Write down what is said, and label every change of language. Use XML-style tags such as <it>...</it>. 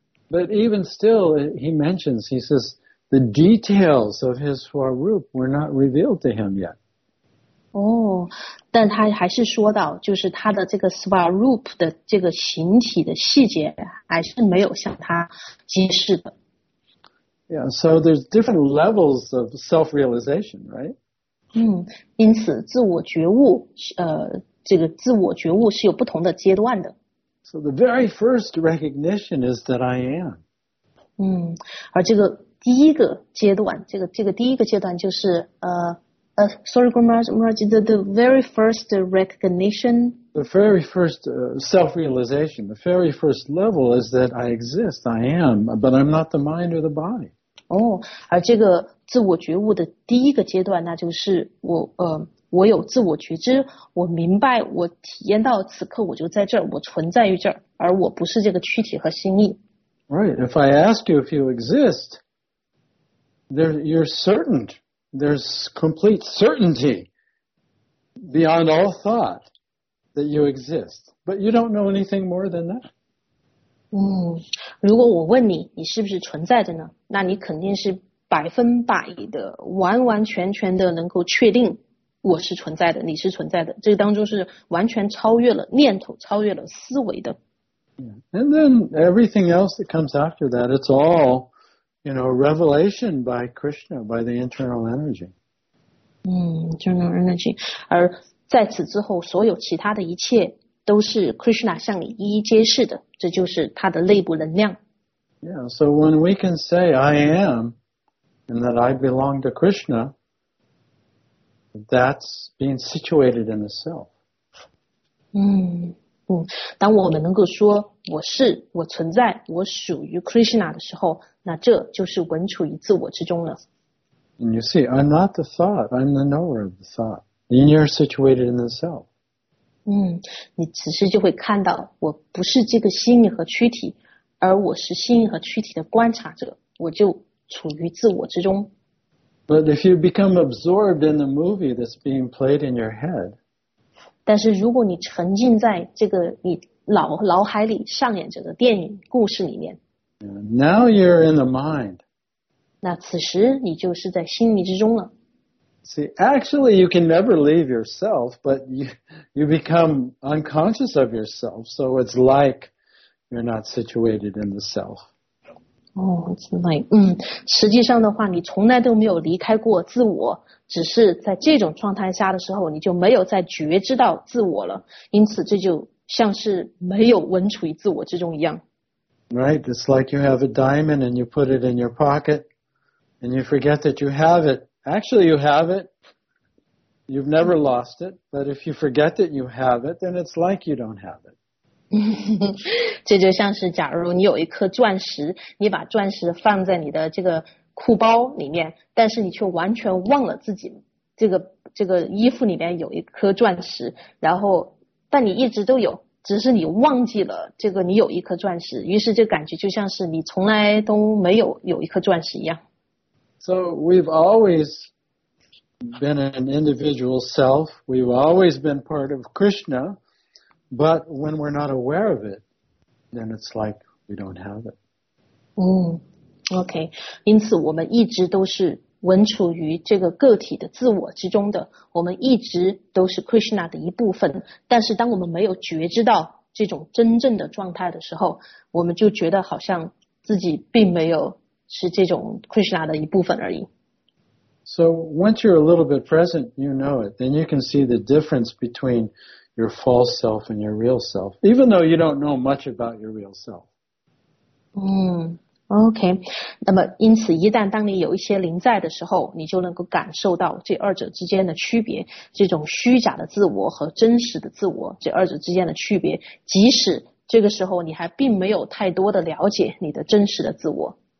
<en>But even still, he mentions, he says, the details of his swarup were not revealed to him yet.</en> <zh>哦，但他还是说到，就是他的这个 swarup 的这个形体的细节还是没有向他揭示的。</zh> <en>Yeah, so there's different levels of self-realization, right?</en> <zh>因此自我觉悟，这个自我觉悟是有不同的阶段的。</zh> <en>So the very first recognition is that I am.</en> <zh>而这个第一个阶段，这个第一个阶段就是</zh> <en>sorry, Guru Maharaj, the very first recognition. The very first self-realization, the very first level is that I exist, I am, but I'm not the mind or the body.</en> <zh>Oh, 而这个自我觉悟的第一个阶段，那就是我有自我觉知，我明白，我体验到此刻我就在这儿，我存在于这儿，而我不是这个躯体和心意。</zh> <en>Right, if I ask you if you exist, there, you're certain. There's complete certainty beyond all thought that you exist. But you don't know anything more than that.</en> <zh>如果我问你，你是不是存在着呢？那你肯定是百分百的，完完全全的能够确定我是存在的，你是存在的。这当中是完全超越了念头，超越了思维的。</zh> <en>Yeah. And then everything else that comes after that, it's all... You know, revelation by Krishna, by the internal energy. Internal energy.</en> <zh>而在此之后，所有其他的一切都是 Krishna 向你一一揭示的，这就是他的内部能量。</zh> <en>Yeah, so when we can say I am, and that I belong to Krishna, that's being situated in the self.</en> <zh>当我们能够说我是我存在我属于 Krishna 的时候，那这就是稳处于自我之中了。</zh> <en>And you see, I'm not the thought, I'm the knower of the thought. And you're situated in the self.</en> <zh>你此时就会看到，我不是这个心意和躯体，而我是心意和躯体的观察者，我就处于自我之中。</zh> <en>But if you become absorbed in the movie that's being played in your head.</en> <zh>但是如果你沉浸在这个你脑海里上演着的电影故事里面</zh> <en>Now you're in the mind.</en> <zh>那此时你就是在心里之中了。</zh> <en>See, actually you can never leave yourself, but you become unconscious of yourself, so it's like you're not situated in the self. It's like,</en> <zh>实际上的话你从来都没有离开过自我。只是在这种状态下的时候，你就没有再觉知到自我了，因此这就像是没有稳处于自我之中一样。</zh> <en>Right, it's like you have a diamond and you put it in your pocket, and you forget that you have it. Actually, you have it. You've never lost it, but if you forget that you have it, then it's like you don't have it.</en> <zh>这就像是假如你有一颗钻石，你把钻石放在你的这个。裤包里面，但是你却完全忘了自己这个衣服里面有一颗钻石，然后但你一直都有，只是你忘记了这个你有一颗钻石，于是这感觉就像是你从来都没有有一颗钻石一样。</zh> <en>So we've always been an individual self. We've always been part of Krishna, but when we're not aware of it, then it's like we don't have it.</en> <zh>OK, 因此我们一直都是稳处于这个个体的自我之中的，我们一直都是 Krishna 的一部分，但是当我们没有觉知到这种真正的状态的时候，我们就觉得好像自己并没有是这种 Krishna 的一部分而已。</zh> <en>So once you're a little bit present, you know it. Then you can see the difference between your false self and your real self, even though you don't know much about your real self.</en> <zh>OK, 那么因此一旦当你有一些临在的时候，你就能够感受到这二者之间的区别，这种虚假的自我和真实的自我，这二者之间的区别，即使这个时候你还并没有太多的了解你的真实的自我。</zh>